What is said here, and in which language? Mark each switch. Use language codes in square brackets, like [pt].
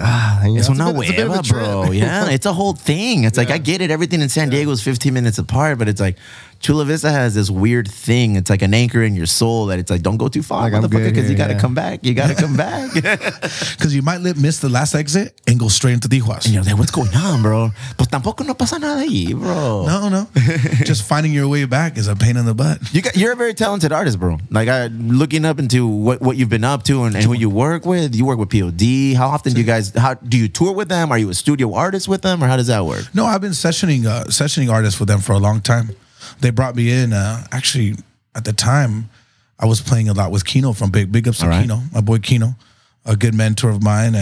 [en] it's not wherever, bro. Yeah, it's a whole thing. It's like, I get it. Everything in San Diego is 15 minutes apart, but it's like Chula Vista has this weird thing. It's like an anchor in your soul that it's like, don't go too far, like, motherfucker, because you got to come back. You got to come back. Because you might miss the last exit and go straight into Tijuas. And you're like, what's going on, bro? [es] Pues tampoco no pasa nada ahí, bro. [en] No. Just finding your way back is a pain in the butt. You're a very talented artist, bro. Like, looking up into what you've been up to and who you work with. You work with POD. How often do you guys, do you tour with them? Are you a studio artist with them, or how does that work? No, I've been sessioning artists with them for a long time. They brought me in, actually, at the time, I was playing a lot with Kino from Big Ups to Kino, my boy Kino, a good mentor of mine.